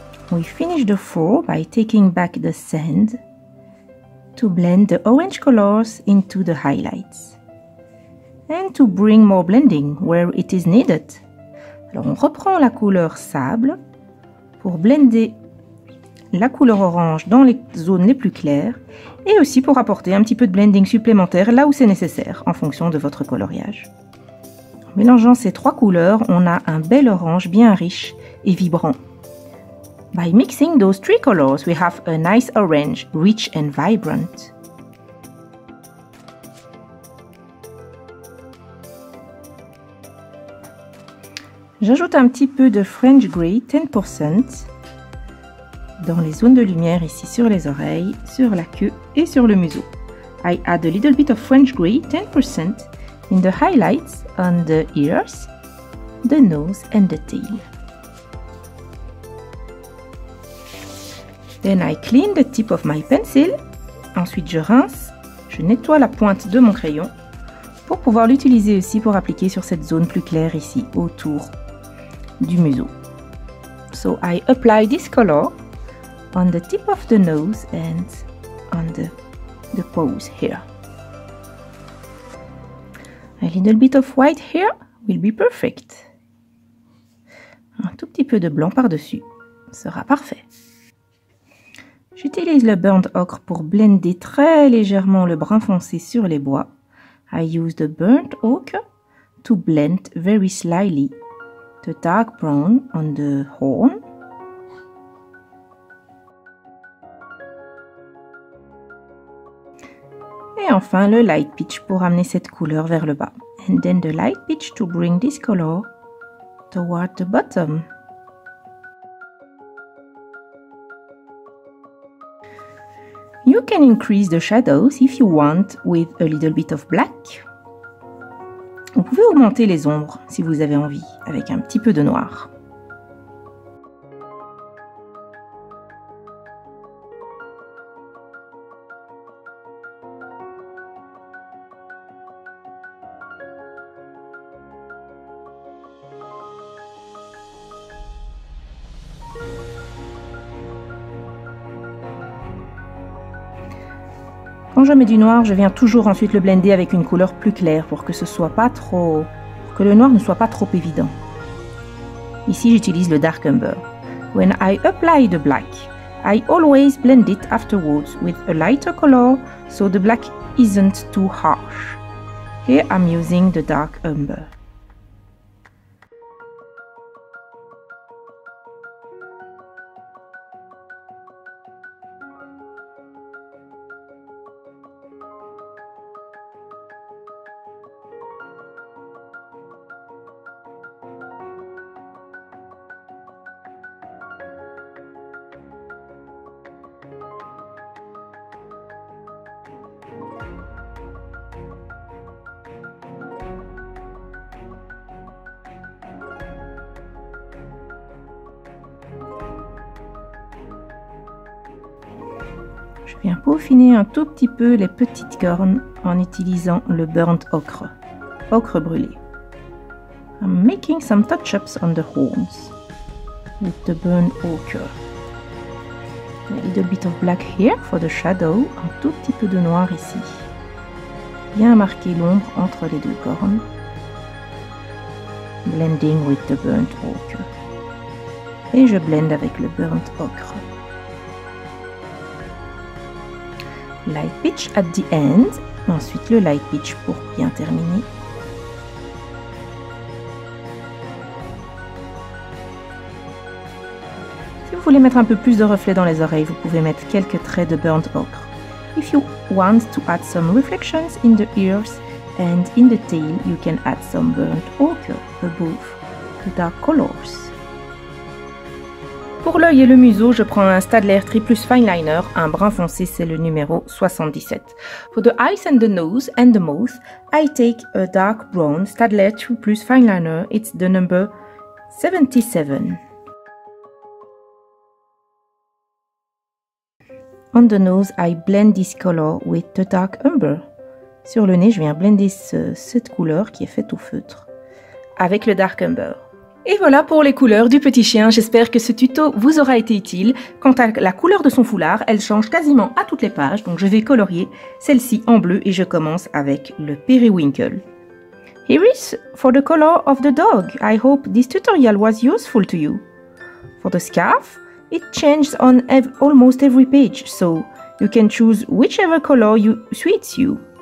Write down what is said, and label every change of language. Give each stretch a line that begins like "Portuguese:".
English: We finish the fall by taking back the sand to blend the orange colors into the highlights and to bring more blending where it is needed.
French: Alors on reprend la couleur sable pour blender la couleur orange dans les zones les plus claires et aussi pour apporter un petit peu de blending supplémentaire là où c'est nécessaire en fonction de votre coloriage. En mélangeant ces trois couleurs, on a un bel orange bien riche et vibrant.
English: By mixing those three colors, we have a nice orange, rich and vibrant.
French: J'ajoute un petit peu de French Grey 10% dans les zones de lumière ici sur les oreilles, sur la queue et sur le museau.
English: I add a little bit of French Grey 10% in the highlights on the ears, the nose and the tail. Then I clean the tip of my pencil.
French: Ensuite je rince, je nettoie la pointe de mon crayon pour pouvoir l'utiliser aussi pour appliquer sur cette zone plus claire ici autour du museau.
English: So I apply this color on the tip of the nose and on the paws here. A little bit of white here will be perfect.
French: Un tout petit peu de blanc par-dessus sera parfait. J'utilise le burnt ochre pour blender très légèrement le brun foncé sur les bois.
English: I use the burnt ochre to blend very slightly the dark brown on the horn.
French: Et enfin le light peach pour amener cette couleur vers le bas.
English: And then the light peach to bring this color toward the bottom. You can increase the shadows if you want with a little bit of black.
French: Vous pouvez augmenter les ombres si vous avez envie avec un petit peu de noir. Quand je mets du noir, je viens toujours ensuite le blender avec une couleur plus claire pour que ce soit pas trop, pour que le noir ne soit pas trop évident. Ici, j'utilise le dark umber.
English: When I apply the black, I always blend it afterwards with a lighter color so the black isn't too harsh. Here I'm using the dark umber.
French: Je viens peaufiner un tout petit peu les petites cornes en utilisant le burnt ochre, ochre brûlé.
English: I'm making some touch-ups on the horns with the burnt ochre. A little bit of black here for the shadow,
French: un tout petit peu de noir ici. Bien marquer l'ombre entre les deux cornes.
English: Blending with the burnt ochre.
French: Et je blend avec le burnt ochre.
English: Light pitch at the end,
French: ensuite le light pitch pour bien terminer. Si vous voulez mettre un peu plus de reflets dans les oreilles, vous pouvez mettre quelques traits de burnt ochre.
English: If you want to add some reflections in the ears and in the tail, you can add some burnt ochre above the dark colors.
French: Pour l'œil et le museau, je prends un Stadler Triplus Fineliner, un brun foncé, c'est le numéro 77.
English: For the eyes and the nose and the mouth, I take a dark brown Stadler Triplus Fineliner, it's the number 77. On the nose, I blend this color with the dark umber.
French: Sur le nez, je viens blender cette couleur qui est faite au feutre avec le dark umber. Et voilà pour les couleurs du petit chien, j'espère que ce tuto vous aura été utile. Quant à la couleur de son foulard, elle change quasiment à toutes les pages, donc je vais colorier celle-ci en bleu et je commence avec le periwinkle.
English: Here is for the color of the dog. I hope this tutorial was useful to you. For the scarf, it changes on almost every page, so you can choose whichever color suits you.